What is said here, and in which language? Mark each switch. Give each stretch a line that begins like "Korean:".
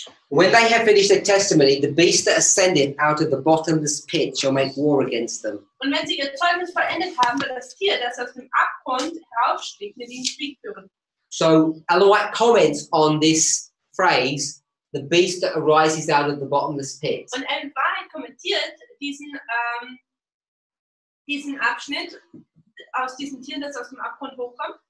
English: When they have finished their testimony, the beast that ascended out of the bottomless pit shall make war against them.
German: Und wenn sie ihr Zeugnis vollendet haben, wird das Tier, das aus dem Abgrund heraufstieg, mit ihnen Krieg führen.
English: So, Ellen White comments on this phrase, the beast that arises out of the bottomless pit.
German: Und Ellen White kommentiert diesen Abschnitt aus diesem Tier, das aus dem Abgrund hochkommt.